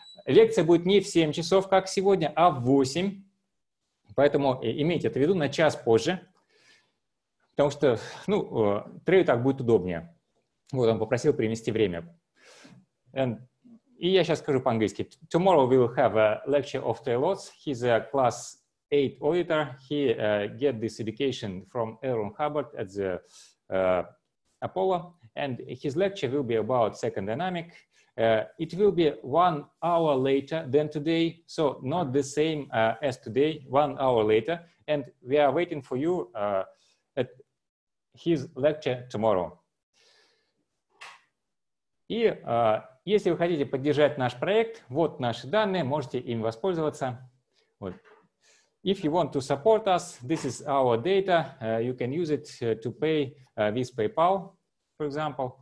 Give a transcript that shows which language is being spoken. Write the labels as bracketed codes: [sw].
[ru] Лекция будет не в 7 часов, как сегодня, а в 8. Поэтому имейте это в виду на час позже. Потому что, ну, Трею так будет удобнее. Вот он попросил принести время. И я сейчас скажу по-английски. [en] Tomorrow we will have a lecture of Trey Lotz. He's a class 8 auditor. He get this education from Aaron Hubbard at the Apollo, and his lecture will be about second dynamic. It will be 1 hour later than today, so not the same as today, 1 hour later, and we are waiting for you at his lecture tomorrow. [ru] И если вы хотите поддержать наш проект, вот наши данные, можете им воспользоваться. Вот. [en] If you want to support us, this is our data. You can use it to pay with PayPal, for example.